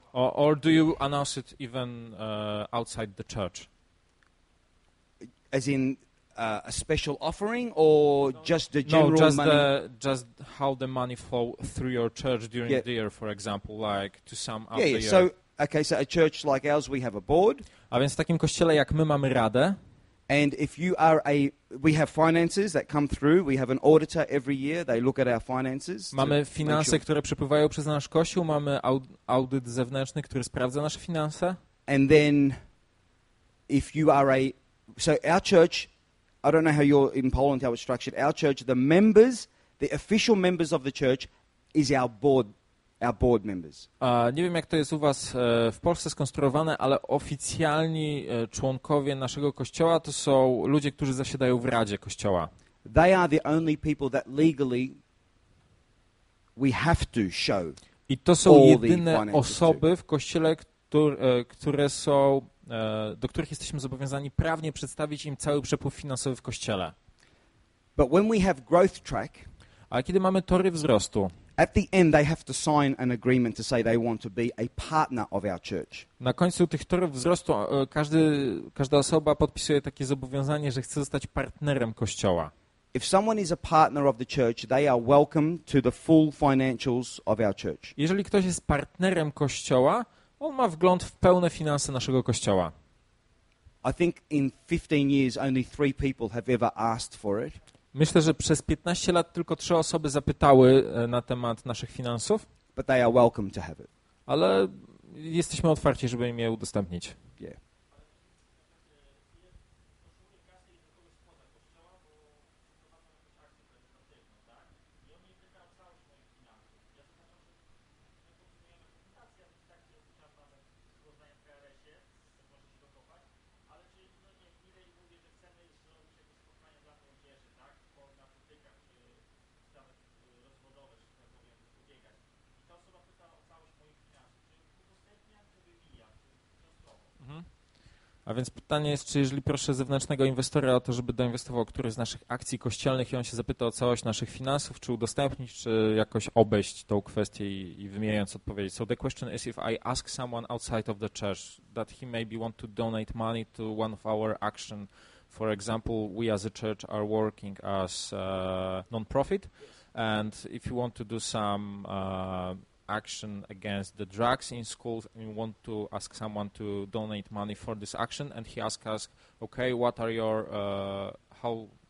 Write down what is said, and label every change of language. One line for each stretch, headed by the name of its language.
English: or do you announce it even outside the church? As in, a special offering or just the general money? No, just how the money flow through your church during the year, for example, like to sum up the year. So, okay, so a church like ours, we have a board.
Polish: A więc w takim kościele jak my mamy radę.
English: And if you are a, we have finances that come through. We have an auditor every year. They look at our finances.
Polish: Mamy finanse, które przepływają przez nasz kościół. Mamy audyt zewnętrzny, który sprawdza nasze finanse.
English: And then, if you are a, so our church, I don't know how you're in Poland how it's structured. Our church, the members, the official members of the church, is our board. Our board members.
Polish: Nie wiem, jak to jest u was w Polsce skonstruowane, ale oficjalni członkowie naszego kościoła to są ludzie, którzy zasiadają w Radzie Kościoła.
English: They are the only people that legally we have to show.
Polish: I to są jedyne osoby w kościele, które są, do których jesteśmy zobowiązani prawnie przedstawić im cały przepływ finansowy w kościele.
English: But when we have growth track,
Polish: ale kiedy mamy tory wzrostu,
English: at the end they have to sign an agreement to say they want to be a partner of our church.
Polish: Na końcu tych torów wzrostu każda osoba podpisuje takie zobowiązanie, że chce zostać partnerem kościoła.
English: If someone is a partner of the church, they are welcome to the full financials of our church.
Polish: Jeżeli ktoś jest partnerem kościoła, on ma wgląd w pełne finanse naszego kościoła.
English: I think in 15 years only 3 people have ever asked for it.
Polish: Myślę, że przez 15 lat tylko 3 osoby zapytały na temat naszych finansów.
English: But they are welcome to have it.
Polish: Ale jesteśmy otwarci, żeby im je udostępnić.
English: Yeah.
Polish: A więc pytanie jest, czy jeżeli proszę zewnętrznego inwestora o to, żeby doinwestował któryś z naszych akcji kościelnych i on się zapyta o całość naszych finansów, czy udostępnić, czy jakoś obejść tą kwestię i wymieniając odpowiedź.
English: So the question is, if I ask someone outside of the church that he maybe want to donate money to one of our action, for example, we as a church are working as a non-profit, and if you want to do some action against the drugs in schools, and we want to ask someone to donate money for this action, and he asks us, okay, what are your how